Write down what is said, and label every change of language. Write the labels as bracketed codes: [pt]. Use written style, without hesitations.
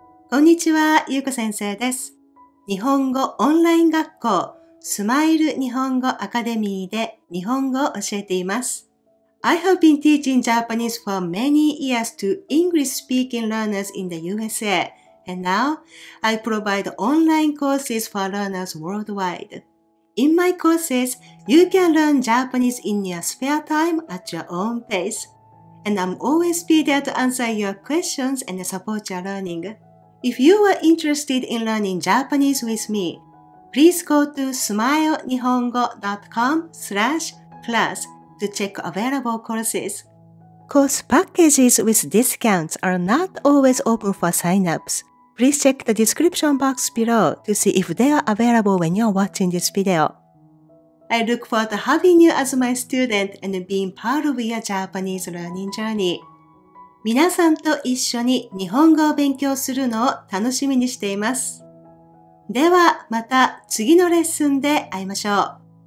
[ja] こんにちは、ゆうこ先生です。日本語オンライン学校、スマイル日本語アカデミーで日本語を教えています。 [en] I have been teaching Japanese for many years to English-speaking learners in the USA, and now I provide online courses for learners worldwide. In my courses, you can learn Japanese in your spare time at your own pace, and I'm always be there to answer your questions and support your learning. If you are interested in learning Japanese with me, please go to smilenihongo.com/class. To check available courses. Course packages with discounts are not always open for signups. Please check the description box below to see if they are available when you're watching this video. I look forward to having you as my student and being part of your Japanese learning journey. [ja] 皆さんと一緒に日本語を勉強するのを楽しみにしています。ではまた次のレッスンで会いましょう。